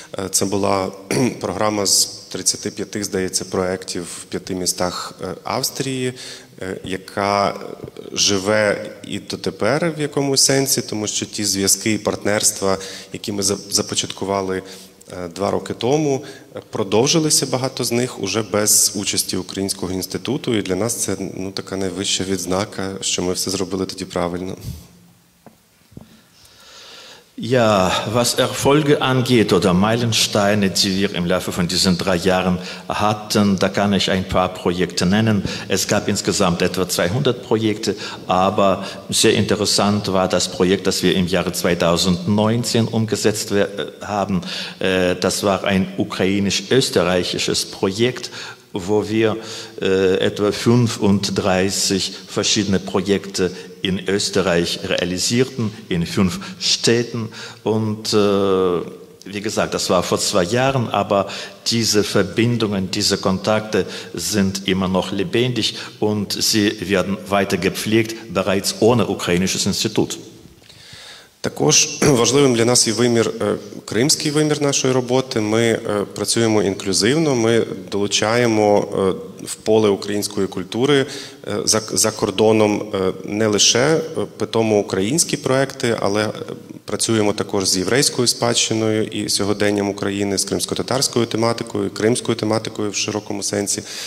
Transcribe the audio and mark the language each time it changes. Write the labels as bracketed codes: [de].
[uk] Це була програма з 35, здається, проєктів в 5 містах Австрії, яка живе і дотепер в якомусь сенсі, тому що ті зв'язки і партнерства, які ми започаткували 2 роки тому, продовжилися багато з них уже без участі Українського інституту, і для нас це ну, така найвища відзнака, що ми все зробили тоді правильно. [de] Ja, was Erfolge angeht oder Meilensteine, die wir im Laufe von diesen 3 Jahren hatten, da kann ich ein paar Projekte nennen. Es gab insgesamt etwa 200 Projekte, aber sehr interessant war das Projekt, das wir im Jahre 2019 umgesetzt haben. Das war ein ukrainisch-österreichisches Projekt, wo wir etwa 35 verschiedene Projekte in Österreich realisierten, in 5 Städten. Und wie gesagt, das war vor 2 Jahren, aber diese Verbindungen, diese Kontakte sind immer noch lebendig und sie werden weiter gepflegt, bereits ohne ukrainisches Institut. [uk] Також важливим для нас є вимір, кримський вимір нашої роботи. Ми працюємо інклюзивно, ми долучаємо в поле української культури за кордоном не лише питомо українські проекти, але працюємо також з єврейською спадщиною і сьогоденням України, з кримсько-татарською тематикою, кримською тематикою в широкому сенсі.